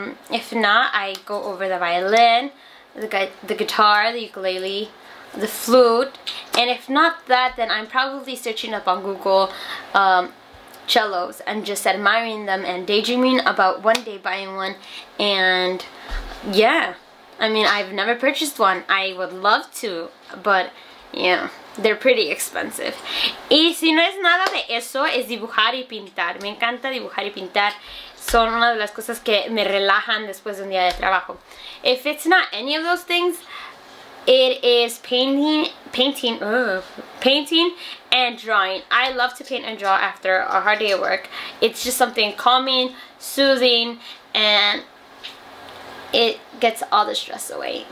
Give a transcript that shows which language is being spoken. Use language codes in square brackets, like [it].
[en] If not, I go over the violin, the guitar, the ukulele, the flute. And if not that, then I'm probably searching up on Google cellos and just admiring them and daydreaming about one day buying one. And yeah, I mean, I've never purchased one. I would love to, but yeah. They're pretty expensive. [es] Y si no es nada de eso, es dibujar y pintar. Me encanta dibujar y pintar. Son una de las cosas que me relajan después de un día de trabajo. [en] If it's not any of those things, it is painting and drawing. I love to paint and draw after a hard day at work. It's just something calming, soothing, and it gets all the stress away.